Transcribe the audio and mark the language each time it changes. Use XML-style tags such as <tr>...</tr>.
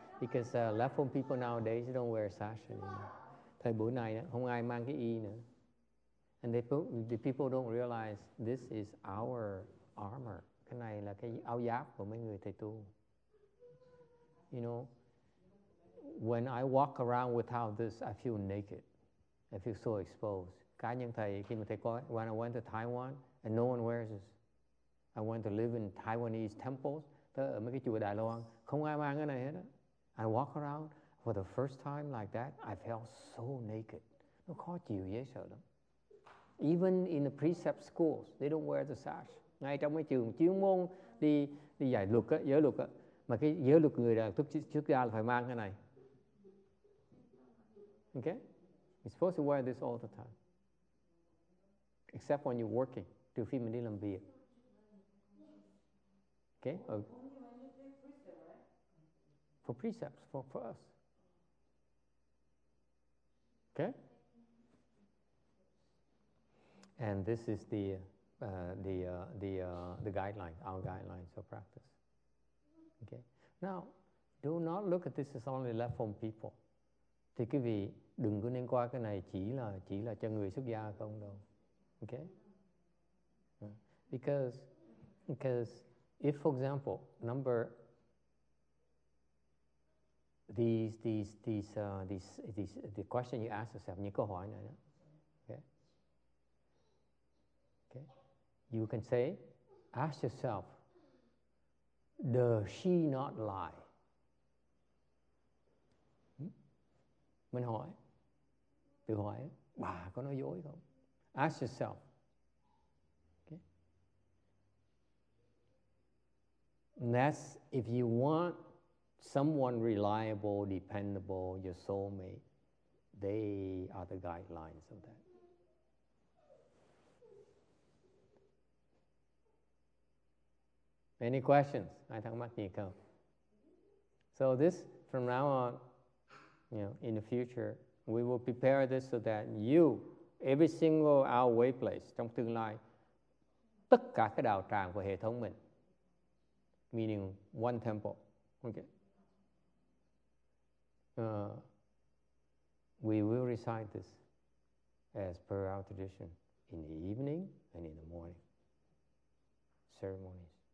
<en>Because left home people nowadays don't wear sash anymore.</en> <vi>Thời buổi này không ai mang cái y nữa.</vi> <en>And the people don't realize this is our armor.</en> <vi>Cái này là cái áo giáp của mấy người thầy tu.</vi> <en>You know, when I walk around without this, I feel naked. I feel so exposed.</en> <vi>Cá nhân thầy, khi mà thầy coi,</vi> <en>when I went to Taiwan, and no one wears this. I went to live in Taiwanese temples,</en> <vi>ở mấy cái chùa Đài Loan, không ai mang cái này hết.</vi> <en>I walk around for the first time like that, I felt so naked.</en> <vi>Nó khó chịu dễ sợ lắm.</vi> <en>Even in the precept schools, they don't wear the sash.</en> <vi>Ngay trong cái trường chuyên môn đi dạy luật á, giới luật á, mà cái giới luật người đạo thức trước ra là phải mang cái này.</vi> <en>Okay? You're supposed to wear this all the time. Except when you're working.</en> <vi>Trừ khi mình đi làm việc.</vi> <en>Okay? For precepts, for us. Okay? And this is the guideline, our guidelines of practice. Okay. Now, do not look at this as only left home people.</en> <vi>Thì quý vị đừng có nên coi cái này chỉ là cho người xuất gia không đâu. Okay.</vi> <en>Because if, for example, the question you ask yourself,</en> <vi>những câu hỏi này đó.</vi> <en>You can say, ask yourself, does she not lie?</en> <vi>Mình hỏi, tự hỏi, bà có nói dối không?</vi> <en>Ask yourself. Okay. And that's if you want someone reliable, dependable, your soulmate, they are the guidelines of that. Any questions?</en> <vi>Ai thắc mắc gì không?</vi> <en>So this, from now on, you know, in the future, we will prepare this so that you every single our way place</en> <vi>trong tương lai, tất cả cái đạo tràng của hệ thống mình,</vi> <en>meaning one temple, okay. We will recite this as per our tradition in the evening and in the morning ceremonies.</en>